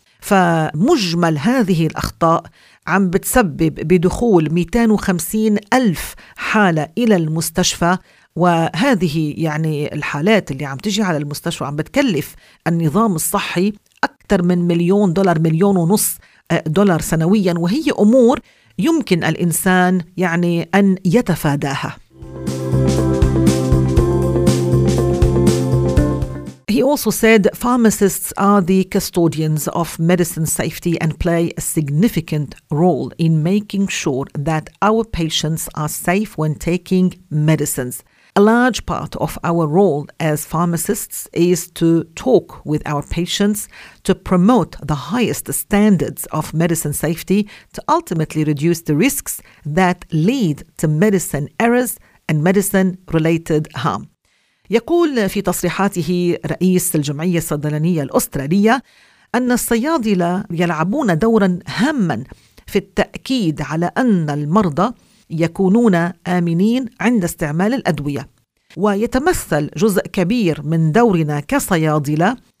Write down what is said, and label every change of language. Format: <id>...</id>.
<ar>فمجمل هذه الأخطاء عم بتسبب بدخول 250 ألف حالة إلى المستشفى، وهذه يعني الحالات اللي عم تجي على المستشفى عم بتكلف النظام الصحي أكثر من $1.5 مليون سنوياً، وهي أمور يمكن الإنسان يعني أن يتفاداها.</ar> <en>He also said pharmacists are the custodians of medicine safety and play a significant role in making sure that our patients are safe when taking medicines. A large part of our role as pharmacists is to talk with our patients to promote the highest standards of medicine safety to ultimately reduce the risks that lead to medicine errors and medicine-related harm.</en> <ar>يقول في تصريحاته رئيس الجمعية الصيدلانية الأسترالية أن الصيادلة يلعبون دورا هاما في التأكيد على أن المرضى يكونون آمنين عند استعمال الأدوية، ويتمثل جزء كبير من دورنا كصيادلة</ar>